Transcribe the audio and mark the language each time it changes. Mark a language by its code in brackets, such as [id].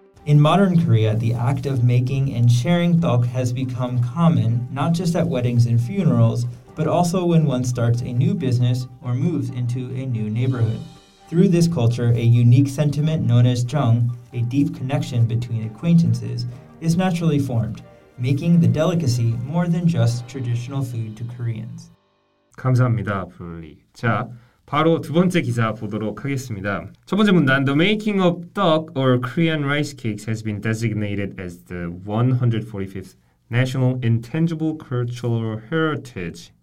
[en] In modern Korea, the act of making and sharing tteok has become common, not just at weddings and funerals, but also when one starts a new business or moves into a new neighborhood. Through this culture, a unique sentiment known as jeong, a deep connection between acquaintances, is naturally formed, making the delicacy more than just traditional food to Koreans. [ko] 감사합니다, 분리. 자, 바로 두 번째 기사 보도록 하겠습니다. 첫 번째 문단, [en] The making of tteok or Korean rice cakes has been designated as the 145th National Intangible Cultural Heritage.